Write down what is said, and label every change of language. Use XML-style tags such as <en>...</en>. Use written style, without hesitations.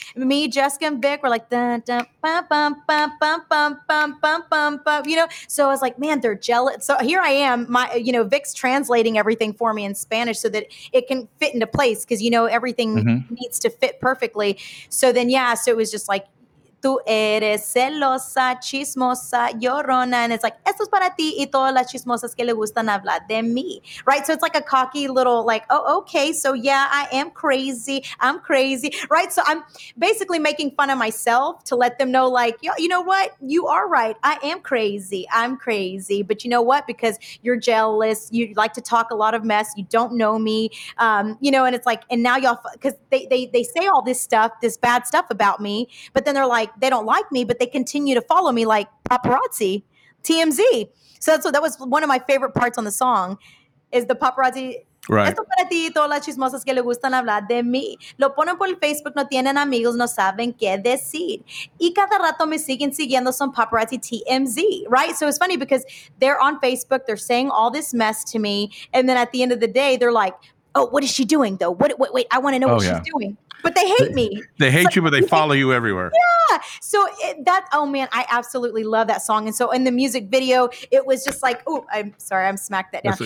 <en>Me, Jessica, and Vic were like, dun, dun, bum, bum, bum, bum, bum, bum, bum, bum, bum, you know. So I was like, man, they're jealous. So here I am, Vic's translating everything for me in Spanish so that it can fit into place because, you know, everything needs to fit perfectly. So then, yeah, so it was just like,</en> <es>tú eres celosa, chismosa, llorona.</es> <en>And it's like,</en> <es>esto es para ti y todas las chismosas que le gustan hablar de mí.</es> <en>Right? So it's like a cocky little like, oh, okay. So yeah, I am crazy. I'm crazy. Right? So I'm basically making fun of myself to let them know like, you know what? You are right. I am crazy. I'm crazy. But you know what? Because you're jealous. You like to talk a lot of mess. You don't know me. You know, and it's like, and now y'all, because they say all this stuff, this bad stuff about me, but then they're like, they don't like me, but they continue to follow me like paparazzi, TMZ. So that was one of my favorite parts on the song is the paparazzi. Right.</en> <es>Esto para ti y todas las chismosas que le gustan hablar de mí. Lo ponen por el Facebook, no tienen amigos, no saben qué decir. Y cada rato me siguen siguiendo son paparazzi TMZ, right?</es> <en>So it's funny because they're on Facebook, they're saying all this mess to me. And then at the end of the day, they're like, oh, what is she doing though? Wait, I want to know she's doing. But they hate me. They hate you, but they follow you everywhere. Yeah. So I absolutely love that song. And so in the music video, it was just like, oh, I'm sorry, I'm smacked that down.</en>